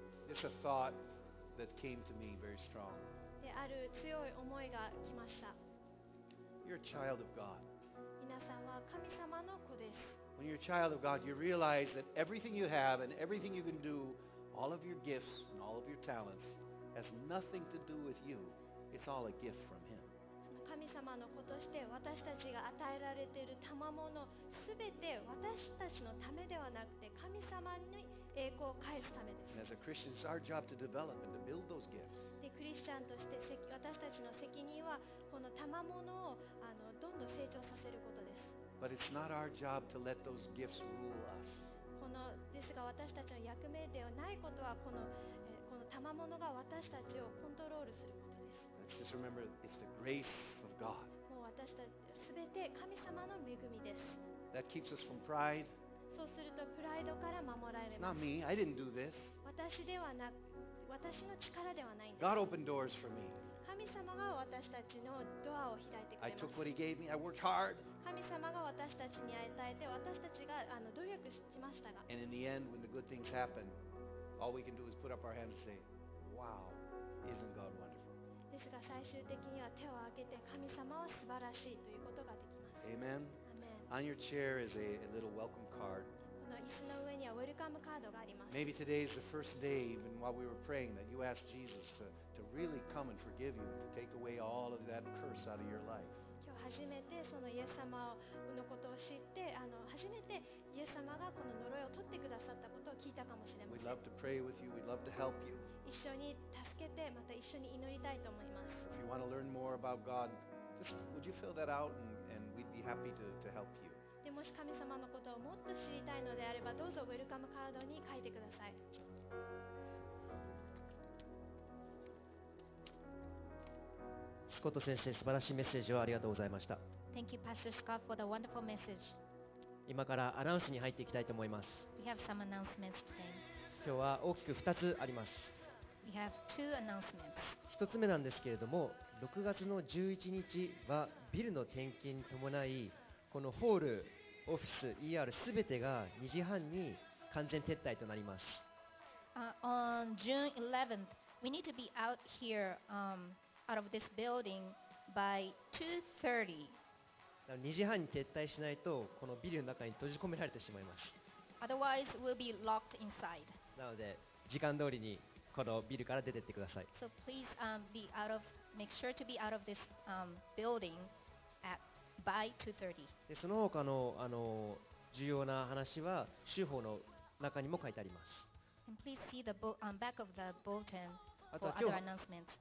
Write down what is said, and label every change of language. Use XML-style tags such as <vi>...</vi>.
<en>It's a thought that came to me very strong.</en> <ja>である強い思いが来ました。</ja> <en>You're a child of God.</en> <ja>皆さんは神様の子です。</ja> <en>When you're a child of God, you realize that everything you have and everything you can do, all of your gifts and all of your talents, has nothing to do with you. It's all a gift from Him.</en> <ja>神様の子として私たちが与えられている賜物すべて私たちのためではなくて神様に栄光を返すためです。</ja> <en>As a Christian, it's our job to develop and to build those gifts.</en> <ja>でクリスチャンとして私たちの責任はこの賜物をどんどん成長させることです。</ja> <en>But it's not our job to let those gifts rule us.</en> <ja>このですが私たちの役目ではないことはこの賜物が私たちをコントロールすること。</ja> <en>Just remember, it's the grace of God.</en> <ja>もう私たちすべて神様の恵みです。</ja> <en>That keeps us from pride.</en> <ja>そうするとプライドから守られます。</ja> <en>Not me. I didn't do this.</en> <ja>私の力ではないんです。</ja> <en>God opened doors for me.</en> <ja>神様が私たちのドアを開いてくれます。</ja> <en>I took what He gave me. I worked hard.</en> <ja>神様が私たちに与えて私たちが努力しましたが。</ja> <en>And in the end, when the good things happen, all we can do is put up our hands and say, "Wow, isn't God wonderful?"</en> <ja>ですが最終的には手を挙げて神様は素晴らしいということができます。</ja> <en>Amen. Amen. On your chair is a little welcome card.</en> <ja>この椅子の上にはウェルカムカードがあります。</ja> <en>Maybe today is the first day, even while we were praying, that you asked Jesus to really come and forgive you, to take away all of that curse out of your life.</en> <ja>今日初めてそのイエス様のことを知って、初めてイエス様がこの呪いを取ってくださったことを聞いたかもしれません。</ja> <en>We'd love to pray with you. We'd love to help you.</en> <ja>一緒に助けてまた一緒に祈りたいと思います。</ja> <en>If you want to learn more about God, just would you fill that out and we'd be happy to help you.</en> <ja>でもし神様のことをもっと知りたいのであればどうぞウェルカムカードに書いてください。スコット先生、素晴らしいメッセージをありがとうございました。</ja> <en>Thank you, Pastor Scott, for the wonderful message.</en> <ja>今からアナウンスに入っていきたいと思います。</ja> <en>We have some announcements today.</en> <ja>今日は大きく2つあります。</ja> <en>We have two announcements.</en> <ja>一つ目なんですけれども、6月の11日はビルの転勤に伴い、このホール、オフィス、ER すべてが2時半に完全撤退となります。</ja> <en>On June 11th, we need to be out here, out of this building by 2:30.</en> <ja>2時半に撤退しないと、このビルの中に閉じ込められてしまいます。</ja> <en>Otherwise, we'll be locked inside.</en> <ja>なので、時間通りにこのビルから出てってください。</ja> <en>So please, be out of, make sure to be out of this, building at, by 2:30.</en> <ja>で、その他の、重要な話は週報の中にも書いてあります。</ja> <en>And please see the back of the bulletin for other announcements.</en>